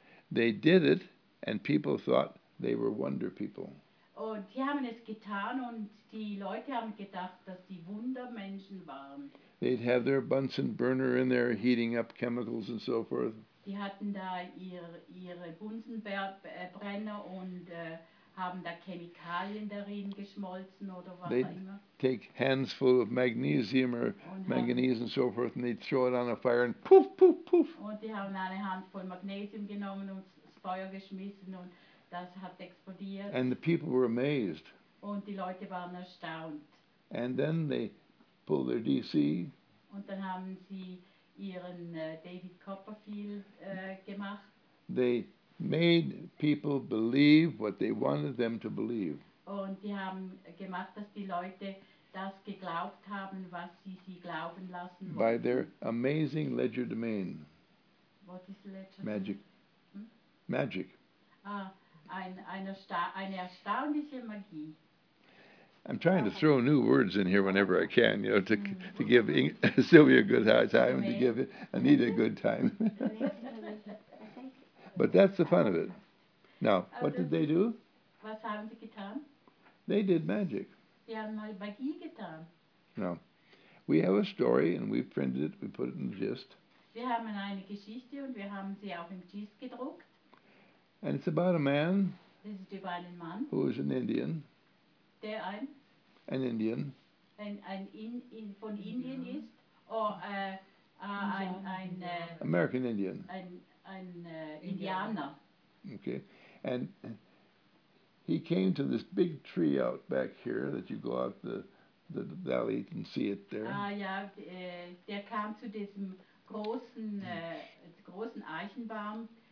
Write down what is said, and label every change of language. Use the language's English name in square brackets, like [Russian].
[English] They did it, and people thought they were wonder people. [German] Und sie haben es getan, und die Leute haben gedacht, dass sie Wundermenschen waren. [English] They'd have their Bunsen burner in there, heating up chemicals and so forth. [German] Sie hatten da ihre Bunsenbrenner und haben da Chemikalien darin geschmolzen oder was [English] they'd [German] auch immer. [English] Take hands full of magnesium or manganese and so forth, and they'd throw it on a fire and poof, poof, poof. [German] Und die haben eine Handvoll Magnesium genommen und das Feuer geschmissen und das hat explodiert. [English] And the people were amazed. [German] Und die Leute waren erstaunt. [English] And then they pulled their DC. [German] Und dann haben sie ihren David Copperfield gemacht. [English] They made people believe what they wanted them to believe. [German] Und die haben gemacht, dass die Leute das geglaubt haben, was sie glauben lassen wollten. [English] By their amazing legerdemain. What is legerdemain? Magic. Hm? Magic. [German] Ah, eine erstaunliche Magie. [English] I'm trying to throw new words in here whenever I can, you know, to give Sylvia a good time and to give Anita a good time. But that's the fun of it. Now, what did they do? [German] Was haben sie getan? [English] They did magic. [German] Sie haben mal Magie getan. [English] Now, we have a story and we printed it, we put it in the Gist. [German] Wir haben eine Geschichte und wir haben sie auch im Gist gedruckt. [English] And it's about a man. [German] Das ist über einen Mann. [English] Who is an Indian. [German] Der ein? [English] An Indian. [German] Ein von Indien ist? Or ein [English] American Indian. [German] An Indianer. [English] Okay. And he came to this big tree out back here that you go out the valley and see it there. [German] Ah, ja, der kam zu diesem großen Eichenbaum.